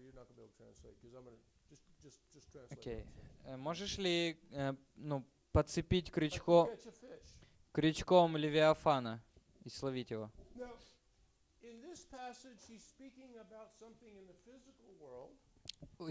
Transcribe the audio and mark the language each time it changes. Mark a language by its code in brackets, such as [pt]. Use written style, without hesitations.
[en] You're not going to be able to translate because I'm going to just translate. Okay. [ru] Можешь ли, ну, подцепить крючком Левиафана и словить его? [en] Now, in this passage, he's speaking about something in the physical world.